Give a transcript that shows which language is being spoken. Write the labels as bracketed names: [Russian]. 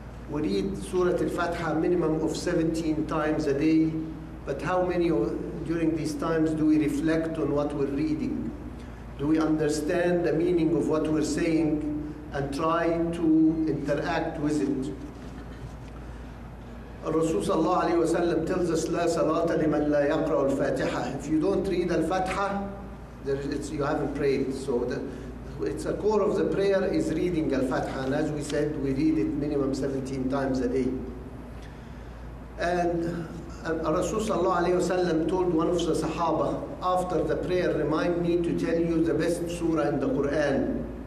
[English] We read Surah Al-Fatiha minimum of 17 times a day, but how many during these times do we reflect on what we're reading? Do we understand the meaning of what we're saying and try to interact with it? [Arabic] الرسول صلى الله عليه وسلم [English] tells us [Arabic] لا صلاة لمن لا يقرأ الفاتحة. [English] If you don't read al-Fatiha, you haven't prayed. So it's a core of the prayer is reading al-Fatiha. And as we said, we read it minimum 17 times a day. And [Arabic] الرسول صلى الله عليه وسلم [English] told one of the Sahaba, after the prayer, remind me to tell you the best surah in the Quran.